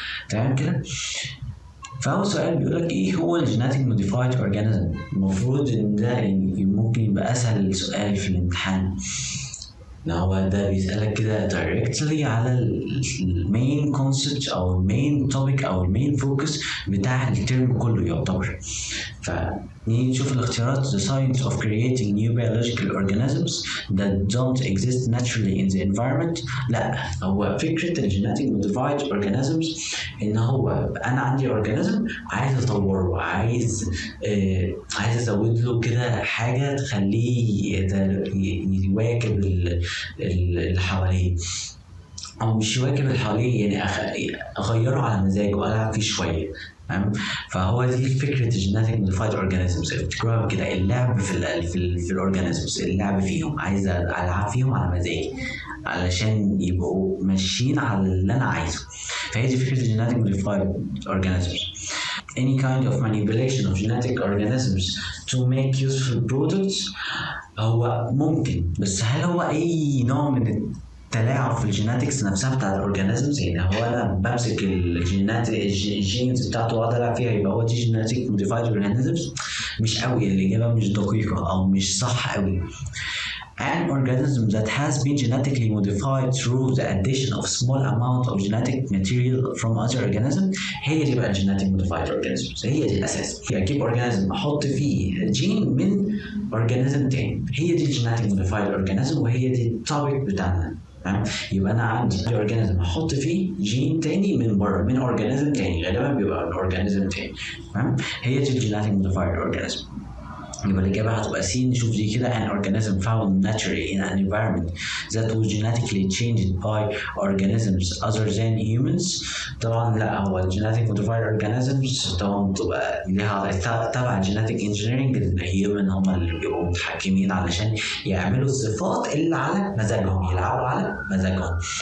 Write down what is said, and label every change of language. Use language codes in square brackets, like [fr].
[ar] تمام كده. فاول سؤال بيقول لك ايه هو الجينيتيك موديفايد اورجانيزم. المفروض ان ده ممكن يبقى اسهل سؤال في الامتحان، هو ده بيسألك كده directly على المين concept أو المين topic أو المين focus بتاع الترم كله يعتبر. فنشوف الاختيارات: [en] the science of creating new biological organisms that don't exist naturally in the environment. [ar] لا، هو فكرة الـ [en] genetic modified organisms [ar] إن هو أنا عندي organism عايز أطوره، عايز أزود له كده حاجة تخليه يواكب اللي حواليه، او مش يواكب اللي حواليه يعني اغيره على مزاجه والعب فيه شويه. تمام. فهو دي فكره الجينيتيك موديفايد اورجانيزمز، بتكرر كده اللعب في الاورجانيزمز، اللعب فيهم، عايز العب فيهم على مزاجي علشان يبقوا ماشيين على اللي انا عايزه. فهي دي فكره الجينيتيك موديفايد اورجانيزمز. [en] Any kind of manipulation of genetic organisms to make useful products [ar] هو ممكن، بس هل هو أي نوع من التلاعب في الجيناتكس نفسها بتاع الأورجانيزمز؟ يعني هو أنا بمسك الجينز بتاعته وأطلع فيها يبقى هو دي جيناتيك موديفايد أورجانيزمز؟ مش قوي، الإجابة مش دقيقة أو مش صح قوي. [en] An organism that has been genetically modified through the addition of small amount of genetic material from other organism [ar] هي دي بقى [en] genetic modified organism، [ar] هي دي الأساس. يجيب organism أحط فيه جين من organism تاني، هي دي [en] genetic modified organism [ar] وهي دي topic بتاعنا. يبقى أنا عندي organism أحط فيه جين تاني من بره من organism تاني، غالبا بيبقى organism تاني، هي دي [en] genetic modified organism. [ar] يبقى الإجابة هتبقى سي. نشوف دي كده: [en] an organism found naturally in an environment that was genetically changed by organisms other than humans. [ar] طبعا لا، هو [en] genetic modified organisms [ar] طبعا تبقى تبع [en] genetic engineering، [ar] الهيومن هم اللي بيبقوا متحكمين علشان يعملوا الصفات اللي على مزاجهم، يلعبوا على مزاجهم.